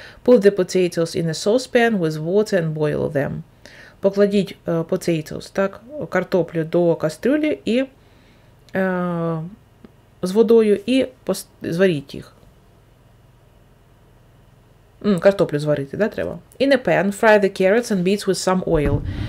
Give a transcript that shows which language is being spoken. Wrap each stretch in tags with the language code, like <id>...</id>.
<en>Put the potatoes in a saucepan with water and boil them.</en> <uk>Покладіть potatoes, так, картоплю до кастрюлі і з водою і зваріть їх. Картоплю зварити, да, треба.</uk> <en>In a pan, fry the carrots and beets with some oil.</en>